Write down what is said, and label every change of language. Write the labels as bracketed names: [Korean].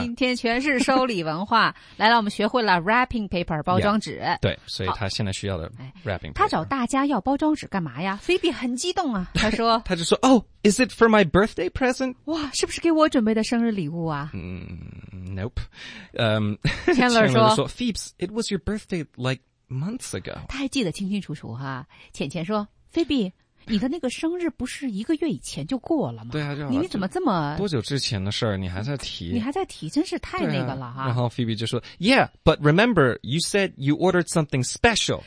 [Chinese] 今天全是收礼文化。来了，我们学会了 wrapping paper 包装纸。 Yeah, 对，所以他现在需要的 wrapping paper。他找大家要包装纸干嘛呀？菲比很激动啊，他说，他就说 [English] ，Oh, is it for my birthday？ Day present? [Chinese] 哇，是不是给我准备的生日礼物啊？ [English] Nope. Chandler 说 ，Phoebs, it was your birthday like months ago. [Chinese] 他还记得清清楚楚哈。浅浅说 ，Phoebe， 你的那个生日不是一个月以前就过了吗？对啊，你怎么这么多久之前的事儿？你还在提？你还在提，真是太那个了哈。然后 Phoebe 就说 [English] ，Yeah, but remember, you said you ordered something special.